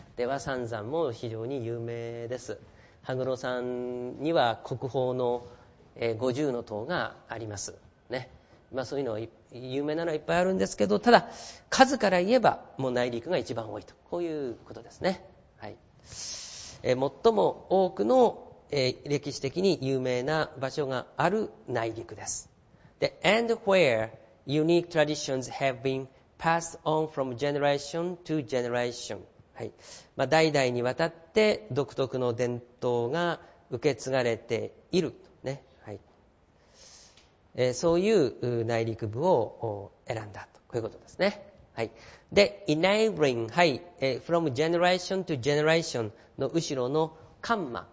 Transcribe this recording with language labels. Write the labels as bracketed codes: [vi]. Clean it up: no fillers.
[ja] 出羽三山も非常に有名です。羽黒山には国宝の、五重の塔があります。ね。まあそういうのは有名なのはいっぱいあるんですけど、ただ数から言えばもう内陸が一番多いと。こういうことですね。はい。最も多くの歴史的に有名な場所がある内陸です。 [en] で、and where unique traditions have been passed on from generation to generation。 [ja] はい。まあ、代々にわたって独特の伝統が受け継がれている。ね。はい。そういう内陸部を選んだと。こういうことですね。はい。で、enabling、はい。 [en] from generation to generation [ja] の後ろのカンマ。